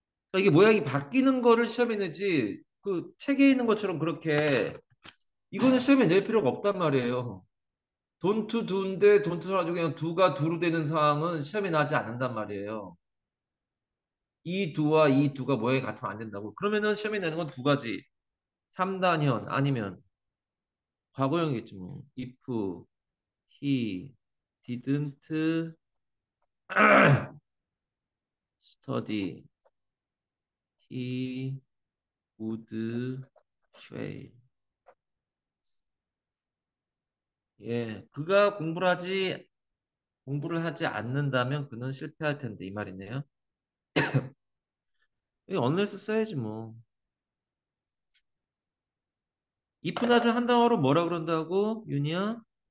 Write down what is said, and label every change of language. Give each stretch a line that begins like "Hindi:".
Korean: 그러니까 이게 모양이 바뀌는 거를 시험에 내지 그 책에 있는 것처럼 그렇게 이거는 시험에 낼 필요가 없단 말이에요. don't do인데 don't 사라지고 그냥 do가 do로 되는 상황은 시험에 나지 않는단 말이에요. 이 do와 이 do가 모양이 같으면 안 된다고. 그러면은 시험에 내는 건두 가지. 3단현 아니면 과거형이겠지 뭐.
English: if He didn't study he would fail.
Korean: 예, 그가 공부를 하지 않는다면 그는 실패할 텐데 이 말이네요. 이 unless 써야지 뭐. if not 한 단어로 뭐라 그런다고 유니야?